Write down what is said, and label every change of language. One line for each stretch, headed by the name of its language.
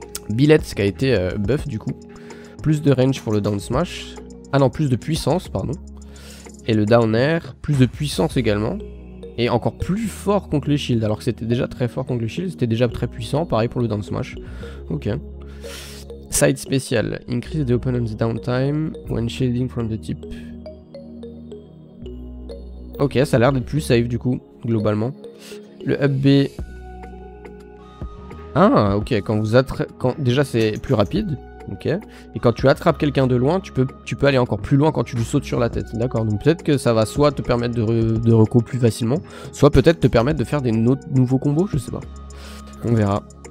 French: Billet, ce qui a été buff du coup. Plus de range pour le down smash. Ah non, plus de puissance, pardon. Et le down air, plus de puissance également. Et encore plus fort contre le shield. Alors que c'était déjà très fort contre le shield, c'était déjà très puissant. Pareil pour le down smash. Ok. Side spécial.
English: Increase the opponent's downtime when shielding from the tip.
French: Ok, ça a l'air d'être plus safe du coup, globalement. Le up B. Ah ok, déjà c'est plus rapide, ok, et quand tu attrapes quelqu'un de loin, tu peux aller encore plus loin quand tu lui sautes sur la tête, d'accord, donc peut-être que ça va soit te permettre de reco plus facilement, soit peut-être te permettre de faire des nouveaux combos, je sais pas, on verra.